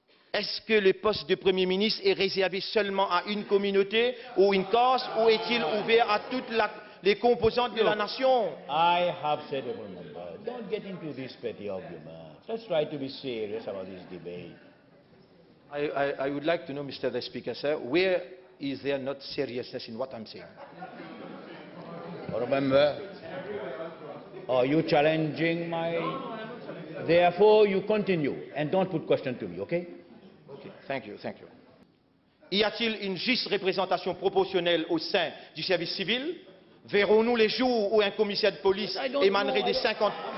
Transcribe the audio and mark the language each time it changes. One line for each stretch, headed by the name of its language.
French: Est-ce que le poste de Premier ministre est réservé seulement à une communauté ou une Corse, ou est-il ouvert à toutes les composantes de la nation?
English: I have said, remember, don't get into this petty argument. Let's try to be serious about this debate. I would like to know, Mr. The Speaker, sir, where is there not seriousness in what I'm saying? Remember, are you challenging my... Therefore, you continue and don't put questions to me, okay? Thank you.
French: Y a-t-il une juste représentation proportionnelle au sein du service civil? Verrons-nous les jours où un commissaire de police émanerait des 50...